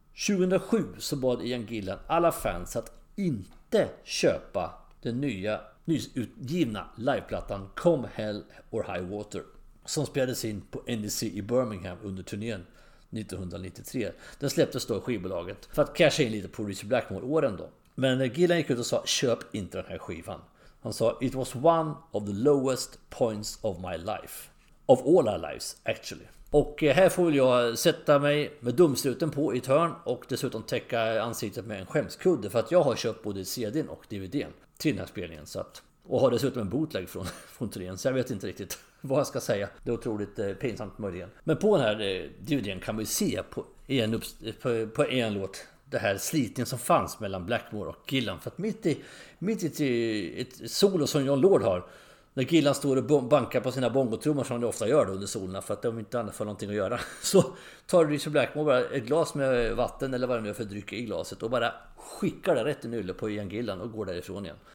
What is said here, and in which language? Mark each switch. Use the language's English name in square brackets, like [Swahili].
[Swedish] 2007 så bad Ian Gillan alla fans att inte köpa den nya nyutgivna liveplattan Come Hell or High Water som spelades in på NDC i Birmingham under turnén 1993. Den släpptes då i skivbolaget för att casha in lite på Richard Blackmore-åren då. Men Gillan gick ut och sa, köp inte den här skivan. Han sa, [English] it was one of the lowest points of my life. Of all our lives, actually. [Swedish] Och här får väl jag sätta mig med dumsluten på i ett hörn och dessutom täcka ansiktet med en skämskudde, för att jag har köpt både CD:n och DVD:n till den här spelningen, så att, och har dessutom en bootleg från turnén, så jag vet inte riktigt vad jag ska säga. Det är otroligt pinsamt möjligen. Men på den här DVD:n kan man ju se på en låt det här slitningen som fanns mellan Blackmore och Gillan, för att mitt i ett solo som John Lord har, när Gillan står och bankar på sina bongotrummor som han ofta gör då under solen för att de inte annars får någonting att göra, så tar Richard Blackmore bara ett glas med vatten eller vad det nu är för dryck i glaset och bara skickar det rätt i nulle på Ian Gillan och går därifrån igen.